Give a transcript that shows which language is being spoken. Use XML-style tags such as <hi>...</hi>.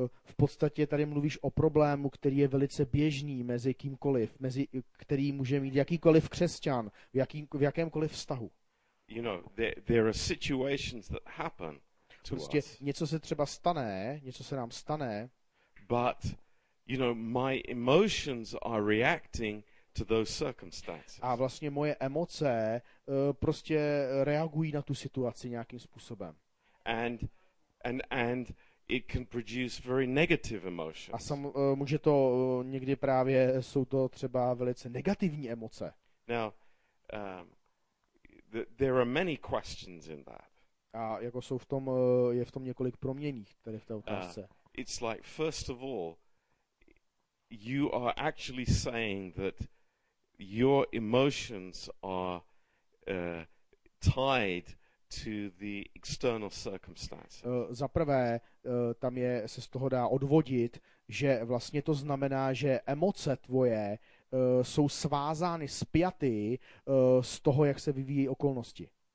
<cs>V podstatě tady mluvíš o problému, který je velice běžný mezi kýmkoliv, který může mít jakýkoliv křesťan v jakémkoliv vztahu.</cs> <en>You know, there are situations that happen to</en> <cs>prostě</cs> <en>us.</en> <cs>Něco se třeba stane, něco se nám stane.</cs> <en>But you know, my emotions are reacting to those circumstances.</en> <cs>A vlastně moje emoce prostě reagují na tu situaci nějakým způsobem.</cs> <en>And it can produce very negative emotions.</en> <cs>A sam může to někdy právě jsou to třeba velice negativní emoce.</cs> <en>Now, there are many questions in that.</en> <cs>A jako jsou v tom je v tom několik proměnných tady v té otázce.</cs> <en>It's like first of all, you are actually saying that your emotions are tied to the external circumstances.</en> <cs>Za prvé, tam je se z toho dá odvodit, že vlastně to znamená, že emoce tvoje jsou svázány, spjaty z toho, jak se vyvíjí okolnosti.</cs>